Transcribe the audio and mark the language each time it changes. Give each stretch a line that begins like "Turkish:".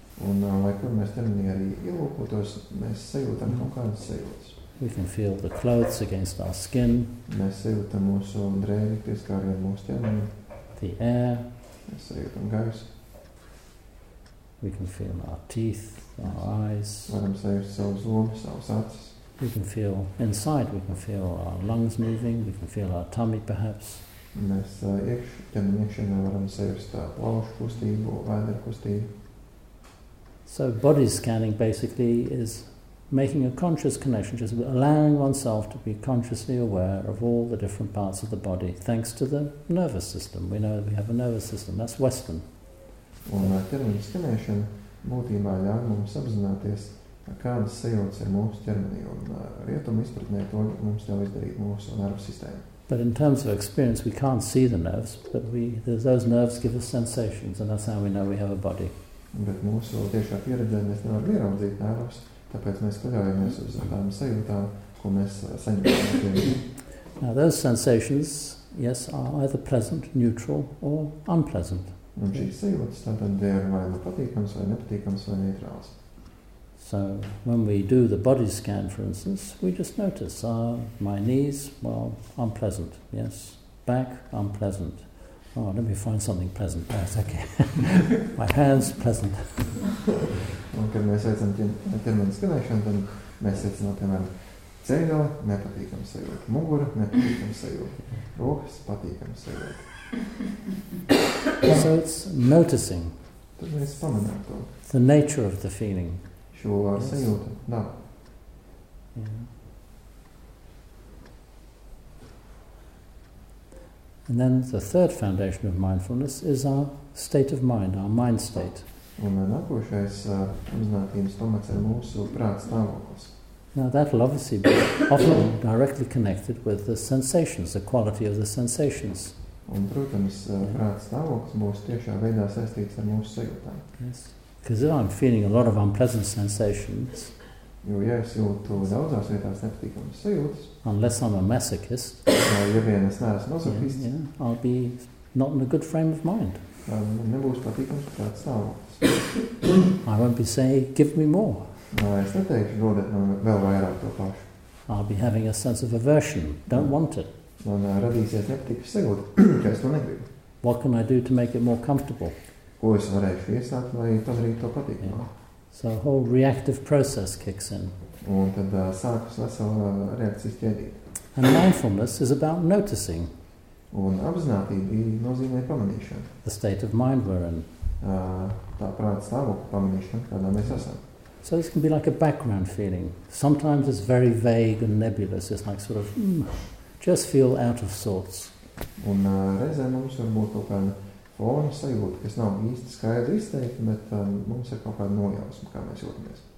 Latvian: Un lai kur mēs ķermenī arī ielūkotos, mēs sajūtam kaut kādas sajūtas.
English: We can feel the clothes against our skin.
Latvian: Mēs sajūtam mūsu drēbi, pieskārot mūsu ķermeni.
English: The air.
Latvian: Mēs sajūtam gaisu.
English: We can feel our teeth, our eyes.
Latvian: Varam sajūst savus zobus, savus acis.
English: We can feel inside, we can feel our lungs moving, we can feel our tummy perhaps.
Latvian: Mēs ķermeni iekšienā varam sajūst plaušu kustību, vēdera kustību.
English: So body scanning basically is making a conscious connection, just allowing oneself to be consciously aware of all the different parts of the body, thanks to the nervous system. We know that we have a nervous system, that's Western.
Latvian: Un ķermeņa skanēšana būtībā ļauj mums apzināties, kādas sajūtas ir mūsu ķermenī, un rietumu izpratnē to mums ļauj izdarīt mūsu nervu sistēmu.
English: But in terms of experience, we can't see the nerves, but those nerves give us sensations, and that's how we know we have a body.
Latvian: Bet mūsu tiešā pieredzē mēs nevaram ieraudzīt nervus, tāpēc mēs paļaujamies uz tām sajūtām, ko mēs saņemam.
English: Now those sensations, yes, are either pleasant, neutral, or unpleasant.
Latvian: Un šīs sajūtas tātad ir vai patīkams, vai nepatīkams, vai neutrāls.
English: So, when we do the body scan, for instance, we just notice, my knees, well, unpleasant, yes. Back, unpleasant. Oh, let me find something pleasant. That's okay. My hands, pleasant.
Latvian: Un, kad mēs aicam ķermeņa skanēšanu, tad mēs aicam, piemēram, ceļo, nepatīkam sajūt. Mugura, nepatīkam sajūt. Rokas, patīkam sajūt.
English: So it's noticing the nature of the feeling. Yes. And then the third foundation of mindfulness is our state of mind, our mind state. Now that will obviously be often directly connected with the sensations, the quality of the sensations.
Latvian: Un, protams, prāta stāvoklis būs tiešā veidā saistīts ar mūsu sajūtām.
English: Yes. Because if I'm feeling a lot of unpleasant sensations,
Latvian: jo, ja es jūtu daudzās vietās nepatīkamas sajūtas,
English: unless I'm a masochist,
Latvian: ja vien es neesmu masochists,
English: I'll be not in a good frame of mind.
Latvian: Nebūs patīkams prāta stāvoklis.
English: I won't be saying, give me more.
Latvian: Es neteikšu, dodiet man vēl vairāk to pašu.
English: I'll be having a sense of aversion, don't want it.
Latvian: Un radīsies nepatīkas sajūta, ka es to negribu.
English: What can I do to make it more comfortable?
Latvian: Ko es varēšu iesākt, lai padarītu to patīkamu?
English: Yeah. So a whole reactive process kicks in.
Latvian: Un tad sākas vesela reakcijas ķēdīte.
English: And mindfulness is about noticing.
Latvian: Un apzinātība nozīmē pamanīšanu.
English: The state of mind we're in.
Latvian: Tā prāta stāvokļa pamanīšana, kādā mēs esam.
English: So this can be like a background feeling. Sometimes it's very vague and nebulous. It's like sort of... just feel out of sorts.
Latvian: Un reizē mums var būt kaut kāda fona sajūta, kas nav īsti skaidri izteikta, bet mums ir kaut kāda nojausma, kā mēs jūtamies.